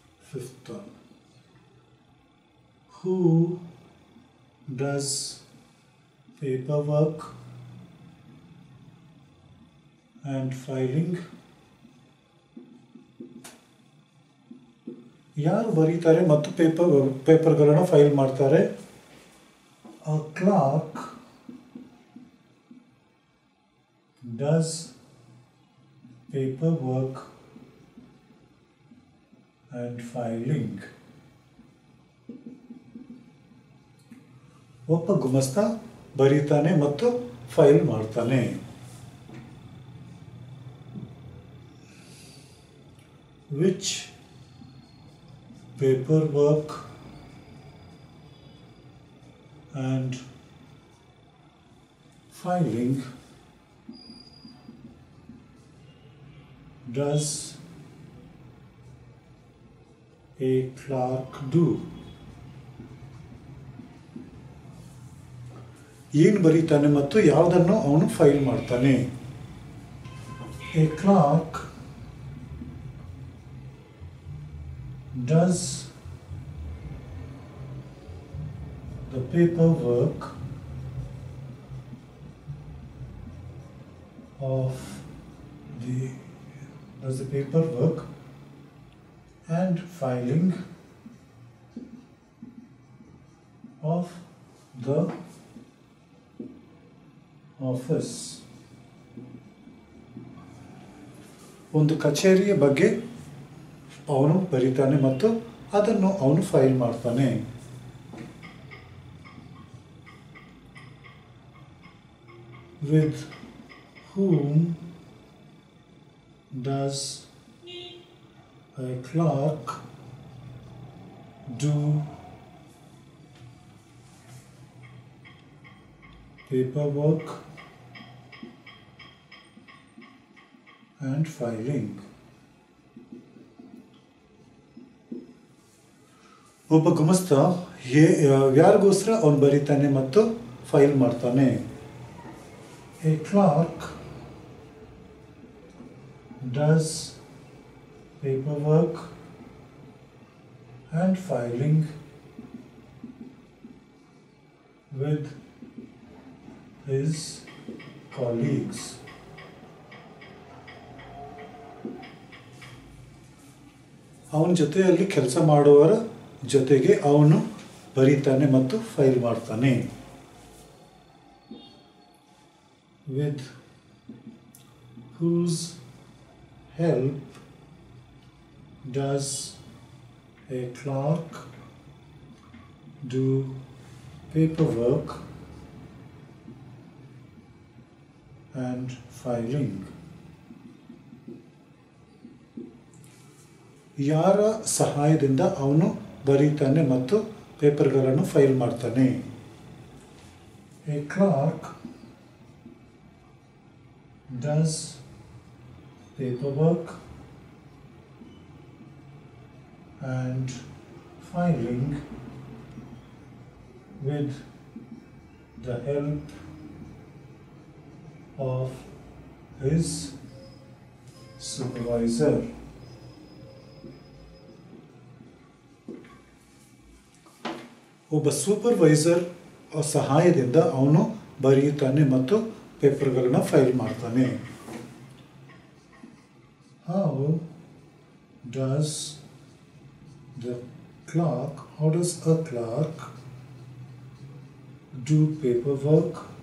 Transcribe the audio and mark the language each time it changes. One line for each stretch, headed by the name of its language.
English: Fifth, who does paper work and filing.
Kannada: ಯಾರು ಬರೀತಾರೆ ಮತ್ತು ಪೇಪರ್ಗಳನ್ನು ಫೈಲ್ ಮಾಡ್ತಾರೆ?
English: A clerk does paperwork and filing.
Kannada: ಒಬ್ಬ ಗುಮಸ್ತ ಬರೀತಾನೆ ಮತ್ತು ಫೈಲ್ ಮಾಡ್ತಾನೆ.
English: Which paperwork and filing does a clerk do?
Kannada: ಏನು ಬರೀತಾನೆ ಮತ್ತು ಯಾವುದನ್ನು ಅವನು ಫೈಲ್ ಮಾಡ್ತಾನೆ?
English: A clerk does the paperwork of the as a paperwork and filing of the office.
Kannada: ಒಂದು ಕಚೇರಿಯ ಬಗ್ಗೆ ಅವನು ಬರೀತಾನೆ ಮತ್ತು ಅದನ್ನು ಅವನು ಫೈಲ್ ಮಾಡ್ತಾನೆ.
English: With whom does a clerk do paperwork and filing?
Kannada: ಒಬ್ಬ ಗುಮಸ್ತ ಯಾರಿಗೋಸ್ಕರ ಅವನು ಬರೀತಾನೆ ಮತ್ತು ಫೈಲ್ ಮಾಡ್ತಾನೆ?
English: A clerk does paperwork and filing with his colleagues.
Kannada: ಅವನ ಜೊತೆಯಲ್ಲಿ ಕೆಲಸ ಮಾಡುವವರ ಜೊತೆಗೆ ಅವನು ಬರೀತಾನೆ ಮತ್ತು ಫೈಲ್ ಮಾಡ್ತಾನೆ.
English: With whose help does a clerk do paperwork and filing?
Kannada: ಯಾರ ಸಹಾಯದಿಂದ ಅವನು ಬರೀತಾನೆ ಮತ್ತು ಪೇಪರ್ಗಳನ್ನು ಫೈಲ್ ಮಾಡ್ತಾನೆ?
English: A clerk does paperwork and filing with the help of his supervisor.
Kannada: ಒಬ್ಬ ಸೂಪರ್ವೈಸರ್ ಸಹಾಯದಿಂದ ಅವನು ಬರೆಯುತ್ತಾನೆ ಮತ್ತು ಪೇಪರ್ಗಳನ್ನು ಫೈಲ್ ಮಾಡ್ತಾನೆ.
English: How does the clerk, how does a clerk do paperwork?